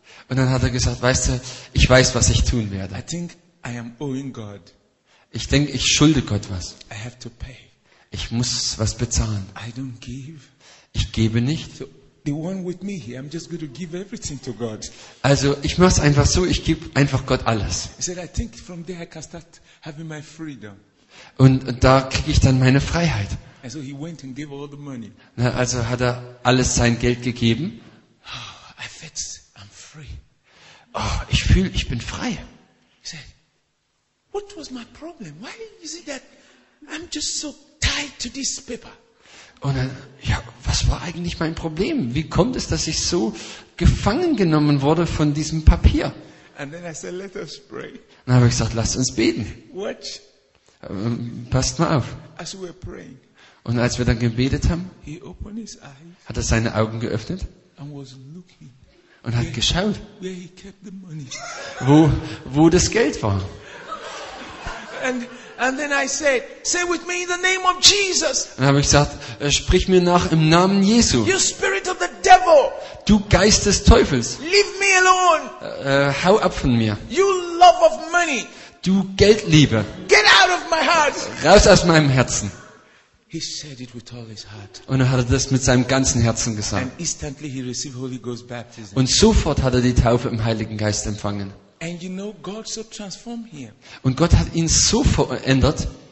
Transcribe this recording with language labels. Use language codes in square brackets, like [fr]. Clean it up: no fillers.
[de] Und dann hat er gesagt, weißt du, ich weiß, was ich tun werde. [en] I think I am owing God. [de] Ich denke, ich schulde Gott was. [en] I have to pay. [de] Ich muss was bezahlen. [en] I don't give. [de] Ich gebe nicht. [en] So, the one with me here, I'm just going to give everything to God. [de] Also, ich mach's einfach so, ich gebe einfach Gott alles. [en] He said, I think from there I can start having my freedom. [de] Und da kriege ich dann meine Freiheit. [en] And so he went and gave all the money. [de] Na, also hat er alles sein Geld gegeben. [en] Oh, I felt I'm free. [de] Oh, ich fühl, ich bin frei. [en] He said, what was my problem? Why is it that I'm just so tied to this paper? [de] Und dann, ja, was war eigentlich mein Problem? Wie kommt es, dass ich so gefangen genommen wurde von diesem Papier? [en] And then I said, let us pray. [de] Dann habe ich gesagt, lasst uns beten. [en] Watch. [de] Passt mal auf. [en] As we're praying, [de] und als wir dann gebetet haben, [en] he opened his eyes, [de] hat er seine Augen geöffnet [en] and was looking, [de] und hat geschaut, [en] where he kept the money. [de] Wo das Geld war. [en] And then I said, say with me in the name of Jesus. [de] Dann habe ich gesagt, sprich mir nach im Namen Jesu. [en] You spirit of the devil. [de] Du Geist des Teufels. [en] Leave me alone. [de] Hau ab von mir. [en] You love of money. [de] Du Geldliebe. [en] Get out of my heart. [de] Raus aus meinem Herzen. [en] He said it with all his heart. [de] Und er hat das mit seinem ganzen Herzen gesagt. [en] And instantly he received Holy Ghost baptism. [de] Und sofort hat er die Taufe im Heiligen Geist empfangen. [en] And you know, God so transformed him. [de] Und Gott hat ihn so verändert,